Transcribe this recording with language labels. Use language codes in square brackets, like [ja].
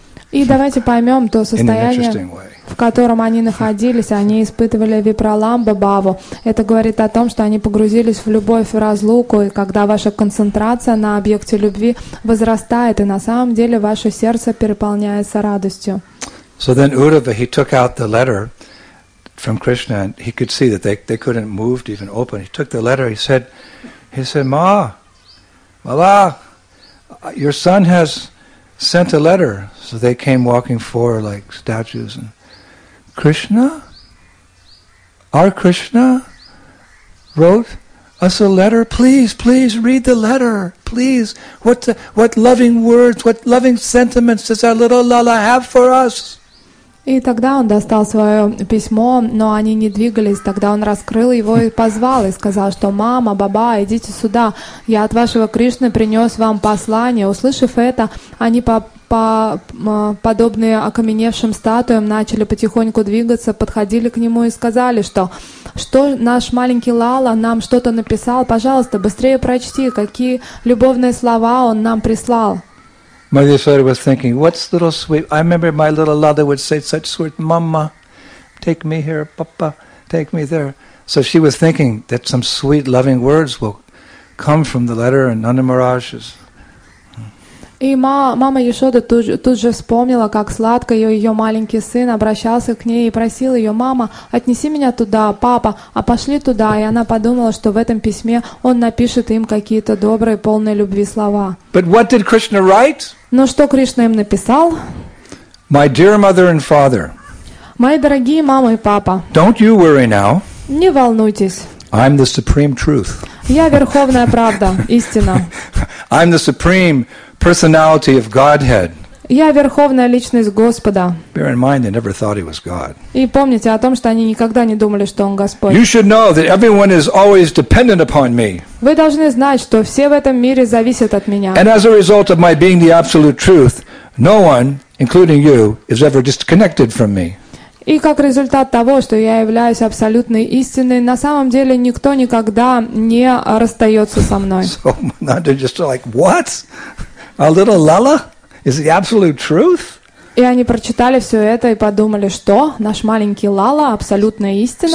[ru] І давайте поймем то состояние, в котором они находились, они испытывали випраламба баву. Это говорит о том, что они погрузились в любовь и разлуку, и когда ваша концентрация на объекте любви возрастает, и на самом деле ваше сердце переполняется радостью. [en] So then Uddhava, he took out the letter from Krishna, and he could see that they couldn't move to even open. He took the letter, he said, Mala, your son has sent a letter. So they came walking forward like statues, and Krishna, our Krishna, wrote us a letter. Please read the letter. Please, what loving words, what loving sentiments does our little Lala have for us? [ru] И тогда он достал свое письмо, но они не двигались. Тогда он раскрыл его и позвал, и сказал, что «Мама, баба, идите сюда, я от вашего Кришны принес вам послание». Услышав это, они подобные окаменевшим статуям начали потихоньку двигаться, подходили к нему и сказали, что наш маленький Лала нам что-то написал, пожалуйста, быстрее прочти, какие любовные слова он нам прислал. [en] Mother Yashoda was thinking, what's the little sweet? I remember my little Lala would say such sweet, Mama, take me here, Papa, take me there. So she was thinking that some sweet, loving words will come from the letter and Nanda Maharaj's. [ru] И мама Яшода тут же вспомнила, как сладко ее маленький сын обращался к ней и просил ее, «Мама, отнеси меня туда, папа, а пошли туда». И она подумала, что в этом письме он напишет им какие-то добрые, полные любви слова. [en] But what did Krishna write? [ru] Но что Кришна им написал? [en] My dear mother and father, [ru] мои дорогие мама и папа, [en] don't you worry now. [ru] Не волнуйтесь. [en] I'm the supreme truth. [ru] Я верховная правда, истина. [en] I'm the supreme personality of Godhead. [ru] Я верховная личность Господа. [en] Bear in mind, they never thought he was God. [ru] И помните о том, что они никогда не думали, что он Господь. [en] You should know that everyone is always dependent upon me. [ru] Вы должны знать, что все в этом мире зависят от меня. [en] And as a result of my being the absolute truth, no one, including you, is ever disconnected from me. [ru] И как результат того, что я являюсь абсолютной истиной, на самом деле никто никогда не расстается со мной. [en] So, Nanda just like, what? A little Lala? Is the absolute truth? [ru] И они прочитали все это и подумали, что наш маленький Лала – абсолютная истина.